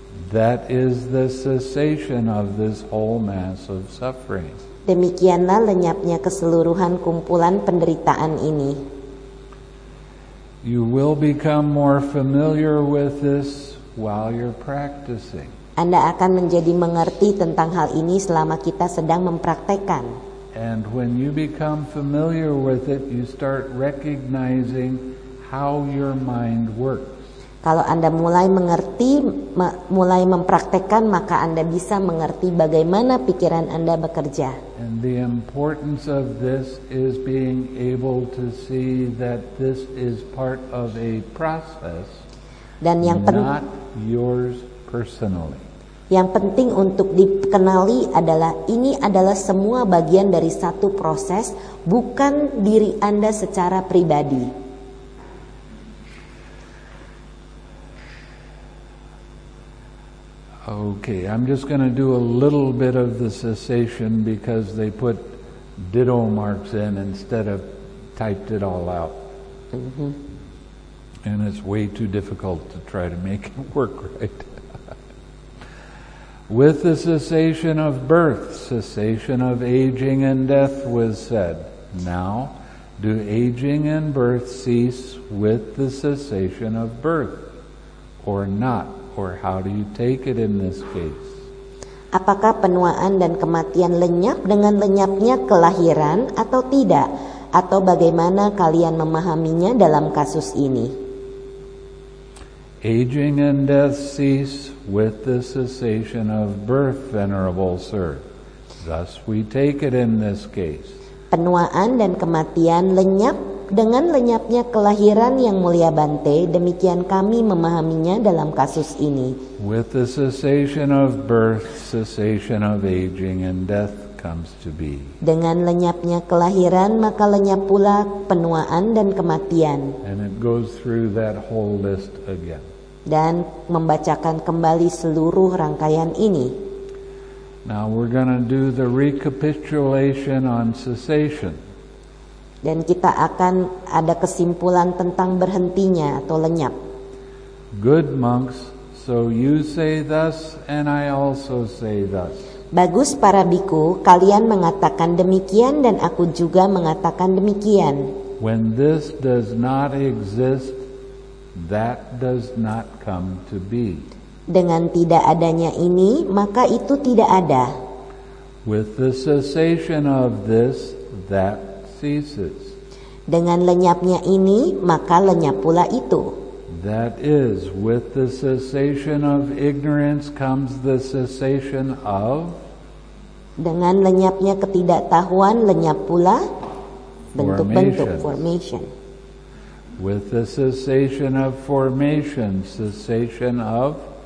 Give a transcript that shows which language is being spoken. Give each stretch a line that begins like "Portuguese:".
English: That is the cessation of this whole mass of suffering.
Indonesian: Demikianlah lenyapnya keseluruhan kumpulan penderitaan ini.
English: You will become more familiar with this while you're practicing.
Indonesian: Anda akan menjadi mengerti tentang hal ini selama kita sedang mempraktekkan.
English: And when you become familiar with it, you start recognizing how your mind works.
Indonesian: Kalau Anda mulai mengerti, mulai mempraktekkan, maka Anda bisa mengerti bagaimana pikiran Anda bekerja.
English: And the importance of this is being able to see that this is part of a process,
Indonesian: dan yang
English: not yours personally.
Indonesian: Yang penting untuk dikenali adalah ini adalah semua bagian dari satu proses, bukan diri Anda secara pribadi.
English: Okay, I'm just going to do a little bit of the cessation because they put ditto marks in instead of typed it all out. Mm-hmm. And it's way too difficult to try to make it work right. With the cessation of birth, cessation of aging and death was said. Now, do aging and birth cease with the cessation of birth or not? Or how do you take it in this case?
Indonesian: Apakah penuaan dan kematian lenyap dengan lenyapnya kelahiran atau tidak? Atau bagaimana kalian memahaminya dalam kasus ini?
English: Aging and death cease with the cessation of birth, venerable sir. Thus we take it in this case.
Indonesian: Penuaan dan kematian lenyap dengan lenyapnya kelahiran yang mulia Bante, demikian kami memahaminya dalam kasus ini.
English: With the cessation of birth, cessation of aging and death comes to be.
Indonesian: Dengan lenyapnya kelahiran, maka lenyap pula penuaan dan kematian.
English: And it goes through that whole list again.
Indonesian: Dan membacakan kembali seluruh rangkaian ini.
English: Now we're going to do the recapitulation on cessation.
Indonesian: Dan kita akan ada kesimpulan tentang berhentinya atau lenyap.
English: Good monks, so you say thus and I also say thus.
Indonesian: Bagus para bhikkhu, kalian mengatakan demikian dan aku juga mengatakan demikian.
English: When this does not exist, that does not come to be.
Indonesian: Dengan tidak adanya ini, maka itu tidak ada.
English: With the cessation of this, that ceases.
Indonesian: Dengan lenyapnya ini, maka lenyap pula itu.
English: That is, with the cessation of ignorance comes the cessation of.
Indonesian: Dengan lenyapnya ketidaktahuan, lenyap pula bentuk-bentuk formation.
English: With the cessation of formation, cessation of